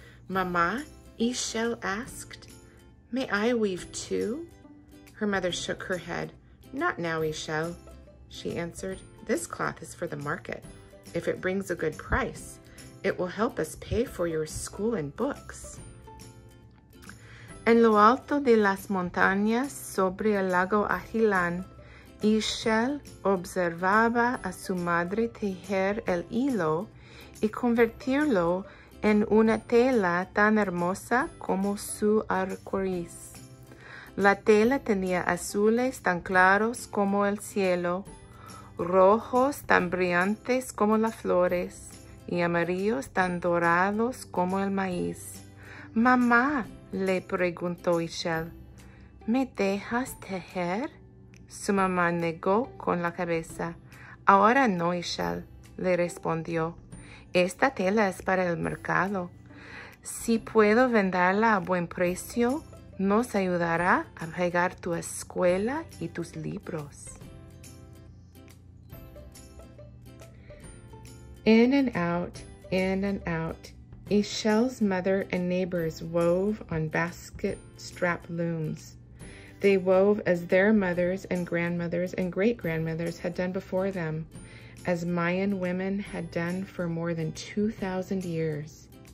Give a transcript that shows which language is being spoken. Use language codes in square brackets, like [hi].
[en] Mama, Ishel asked, may I weave too? Her mother shook her head. Not now, Ishel, she answered. This cloth is for the market. If it brings a good price, it will help us pay for your school and books. [es] En lo alto de las montañas sobre el lago Atilan, Ishel observaba a su madre tejer el hilo y convertirlo en una tela tan hermosa como su arcoíris. La tela tenía azules tan claros como el cielo, rojos tan brillantes como las flores, y amarillos tan dorados como el maíz. Mamá, le preguntó Ishel, ¿me dejas tejer? Su mamá negó con la cabeza. Ahora no, Ishel, le respondió. Esta tela es para el mercado. Si puedo venderla a buen precio, nos ayudará a pagar tu escuela y tus libros. [en] In and out, in and out, Ishel's mother and neighbors wove on basket strap looms. They wove as their mothers and grandmothers and great-grandmothers had done before them, as Mayan women had done for more than 2,000 years.